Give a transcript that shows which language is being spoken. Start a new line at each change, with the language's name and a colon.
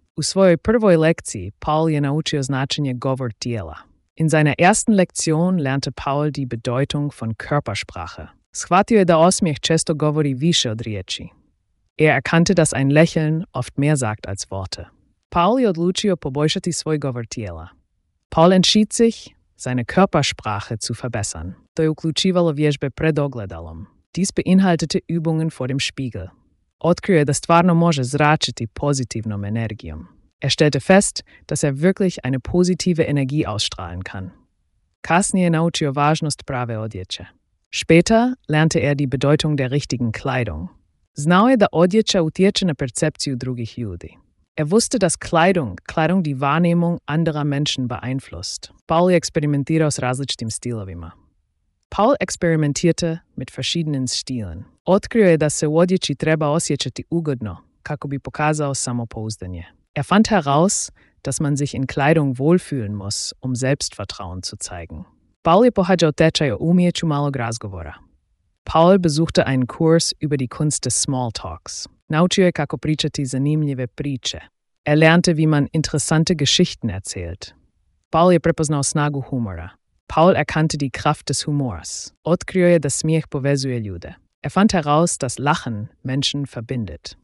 Croatian: U svojoj prvoj lekciji Paul je naučio značenje govor tijela.
German: In seiner ersten Lektion lernte Paul die Bedeutung von Körpersprache.
Croatian: Shvatio je da osmijeh često govori više od riječi.
German: Er erkannte, dass ein Lächeln oft mehr sagt als Worte.
Croatian: Paul je odlučio poboljšati svoj govor tijela.
German: Paul entschied sich, seine Körpersprache zu verbessern.
Croatian: To je uključivalo vježbe pred ogledalom.
German: Dies beinhaltete Übungen vor dem Spiegel.
Croatian: Otkrio je da stvarno može zračiti pozitivnom energijom.
German: Er stellte fest, dass er wirklich eine positive Energie ausstrahlen kann.
Croatian: Kasnije naučio važnost prave odjeće.
German: Später lernte er die Bedeutung der richtigen Kleidung.
Croatian: Znao je da odjeća utječe na percepciju drugih ljudi.
German: Er wusste, dass Kleidung die Wahrnehmung anderer Menschen beeinflusst. Paul experimentierte aus
Croatian: različitim stilovima.
German: Paul experimentierte mit verschiedenen Stilen.
Croatian: Otkrio je da se u odjeći treba osjećati ugodno, kako bi pokazao samopouzdanje.
German: Er fand heraus, dass man sich in Kleidung wohlfühlen muss, um Selbstvertrauen zu zeigen.
Croatian: Paul je pohađao tečaj o umijeću malog razgovora.
German: Paul besuchte einen Kurs über die Kunst des Smalltalks.
Croatian: Naučio je kako pričati zanimljive priče.
German: Er lernte, wie man interessante Geschichten erzählt.
Croatian: Paul je prepoznao snagu humora.
German: Paul erkannte die Kraft des Humors.
Croatian: Otkrio je da smijeh povezuje ljude.
German: Er fand heraus, dass Lachen Menschen verbindet.